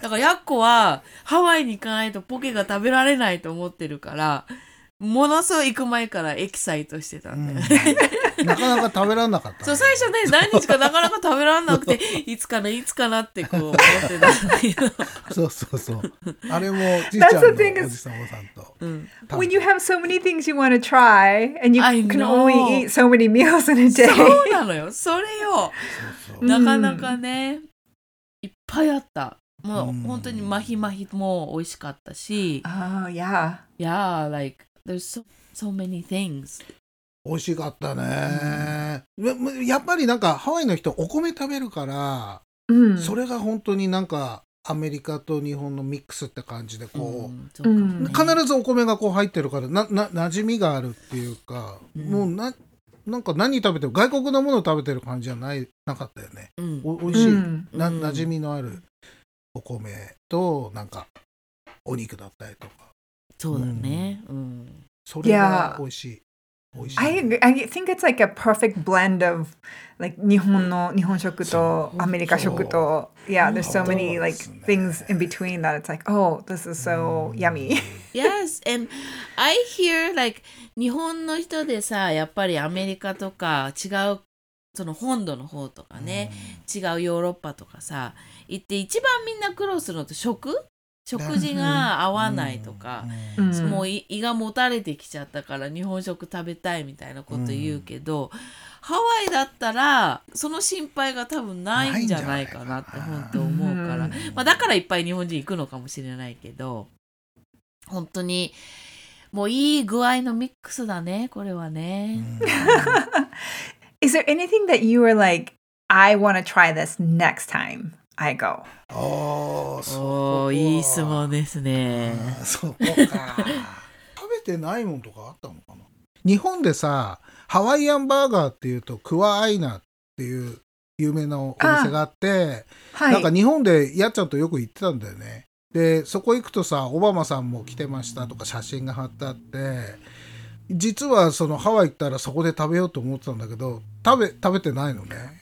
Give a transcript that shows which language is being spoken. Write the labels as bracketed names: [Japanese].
[Japanese] だからヤッコはハワイに行かないとポケが食べられないと思ってるから、ものすごい行く前からエキサイトしてたんだよ、うん、なかなか食べられなかった、ね、そう、最初ね、何日かなかなか食べられなくていつかな、いつかなってこう思ってたそうそうそう、あれもじいちゃんのおじさんおさんと、 [English] うん、When you have so many things you want to try and you can only eat so many meals in a day [Japanese] そうなのよ、それよ、そうそう、なかなかね、うん、いっぱいあった。もう本当にマヒマヒも美味しかったし、 [English] yeah like there's so many things、 [Japanese] 美味しかったね、うん、やっぱりなんかハワイの人お米食べるから、うん、それが本当になんかアメリカと日本のミックスって感じでこう、うん、そうかもね、必ずお米がこう入ってるから、馴染みがあるっていうか、うん、もうなんか何食べても外国のものを食べてる感じじゃない、なかったよね、うん、美味しい、うん、馴染みのあるお米となんかお肉だったりとか、そうだね、うん、それが美味しい、 yeah. 美味しい。 [English] I think it's like a perfect blend of like [Japanese] 日本の日本食とアメリカ食と、 [English] yeah, there's so many like things in between that it's like, oh, this is so yummy. Yes, and I hear like [Japanese] 日本の人でさ、やっぱりアメリカとか違うその本土の方とかね、違うヨーロッパとかさ行って、一番みんな苦労するのって食事が合わないとか、うん、もう胃がもたれてきちゃったから日本食食べたいみたいなこと言うけど、うん、ハワイだったらその心配が多分ないんじゃないかなって本当思うから、うん、まあ、だからいっぱい日本人行くのかもしれないけど、本当にもういい具合のミックスだねこれはね、うん、 [English] Is there anything that you were like, I want to try this next time I go? Oh, [Japanese] いい質問ですね。そこか。食べてないもんとかあったのかな。日本でさ、ハワイアンバーガーっていうとクワアイナっていう有名なお店があって、なんか日本でやっちゃんとよく行ってたんだよね。で、そこ行くとさ、オバマさんも来てましたとか写真が貼ってあって、実はそのハワイ行ったらそこで食べようと思ってたんだけど、食べてないのね。